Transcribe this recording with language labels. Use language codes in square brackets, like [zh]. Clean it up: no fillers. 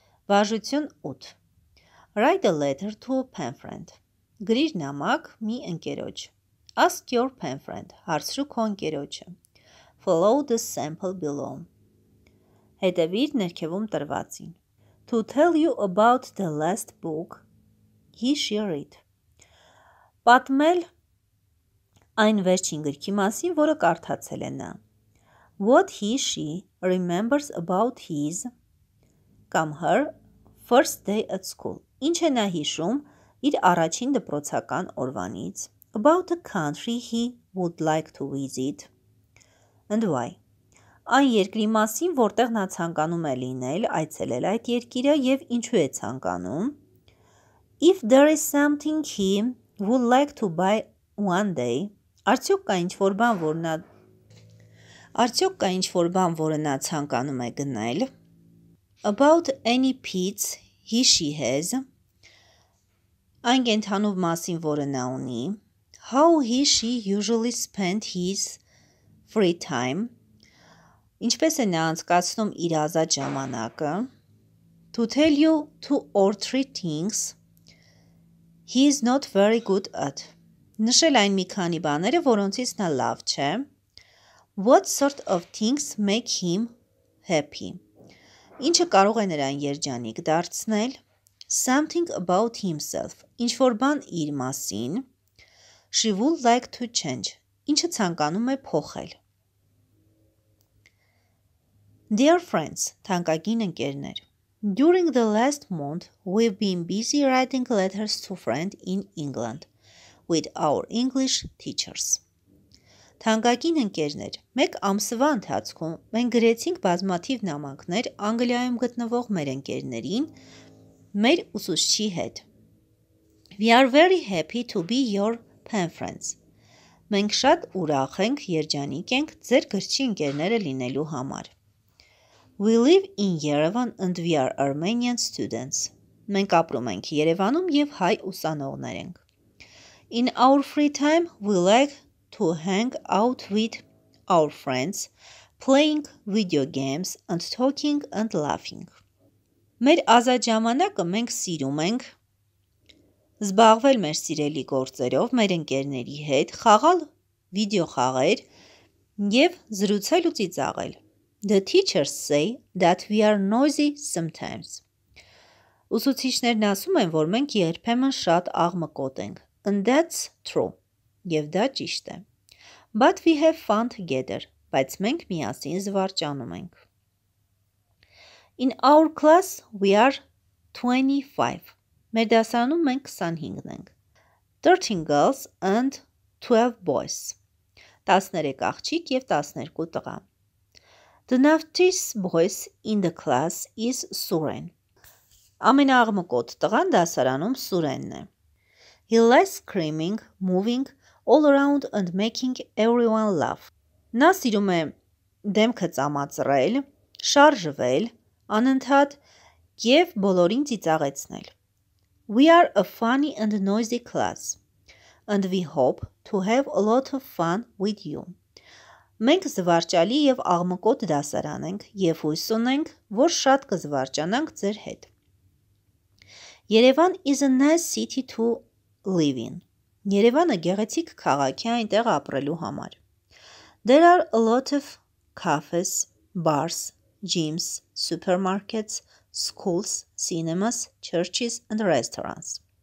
[hy] Վարժություն 8. [en] Write a letter to a pen friend. [hy] Գրիր նամակ մի ընկերոջ. [en] Ask your pen friend. [hy] Հարցրու քո ընկերոջը. [en] Follow the sample below. [hy] Հետևիր ներքևում տրվածին. [en] To tell you about the last book he she read. [hy] Պատմել այն վերջին գրքի մասին, որը կարդացել է նա. [en] What he she remembers about his [hy] կամ [en] her first day at school. [hy] Ինչ է նա հիշում իր առաջին դպրոցական օրվանից. [en] About a country he would like to visit. And why? [hy] Այն երկրի մասին, որտեղ նա ցանկանում է լինել, այցելել այդ երկիրը և ինչու է ցանկանում. [en] If there is something he would like to buy one day, [hy] արդյոք կա ինչ-որ բան, որը նա ցանկանում է գնել. [en] About any pets he has, [hy] Այն կենթանով մասին, որը նա ունի. [en] How he, she usually spent his free time. [hy] Ինչպես է նա անցկացնում իր ազատ ժամանակը. [en] To tell you two or three things he is not very good at. [hy] Նշել այն մի քանի բաները, որոնցից նա լավ չէ. [en] What sort of things make him happy? [hy] Ինչը կարող է նրան երջանիկ դարձնել. [en] Something about himself. [hy] Ինչ-որ բան իր մասին. [en] She would like to change. [hy] Ինչը ցանկանում է փոխել. [en] Dear friends, [hy] թանկագին ընկերներ. [en] During the last month, we've been busy writing letters to friends in England with our English teachers. [hy] Թանկագին ընկերներ, մեկ ամսվա ընթացքում մենք գրեցինք բազմաթիվ նամակներ Անգլիայում գտնվող մեր ընկերներին, մեր ուսուցչի հետ. [en] We are very happy to be your pen friends. [hy] Մենք շատ ուրախ ենք, երջանիկ ենք ձեր գրչի ընկերները լինելու համար. [en] We live in Yerevan and we are Armenian students. [hy] Մենք ապրում ենք Երևանում և հայ ուսանողներ ենք. [en] In our free time, we like to hang out with our friends, playing video games and talking and laughing. [hy] Մեր ազատ ժամանակը մենք սիրում ենք զբաղվել մեր սիրելի գործերով, մեր ընկերների հետ, խաղալ վիդեո խաղեր և զրուցել ու ծիծաղել. [en] The teachers say that we are noisy sometimes. [hy] Ուսուցիչներն ասում են, որ մենք երբեմն շատ աղմկոտ ենք. [en] And that's true. [hy] Եվ դա ճիշտ է. [en] But we have fun together. [hy] Բայց մենք միասին զվարճանում ենք. [en] In our class we are 25. [hy] Մեր դասարանում մենք 25 ենք. [en] 13 girls and 12 boys. [hy] 13 աղջիկ և 12 տղա. [en] The naughtiest boy in the class is Suren. [hy] Ամենաաղմկոտ տղան դասարանում Սուրենն է. [en] He likes screaming, moving all around and making everyone laugh. [hy] Նա սիրում է դեմքը ծամածրել, շարժվել, անընդհատ և բոլորին ծիծաղեցնել. [en] We are a funny and noisy class and we hope to have a lot of fun with you. [hy] Մենք զվարճալի և աղմկոտ դասարան ենք և հույս ունենք, որ շատ կզվարճանանք ձեր հետ։ [en] Երևան is a nice city to live in. [hy] Երևանը գեղեցիկ քաղաք է այնտեղ ապրելու համար. [en] There are a lot of cafes, bars, gyms, supermarkets, schools, cinemas, churches and restaurants.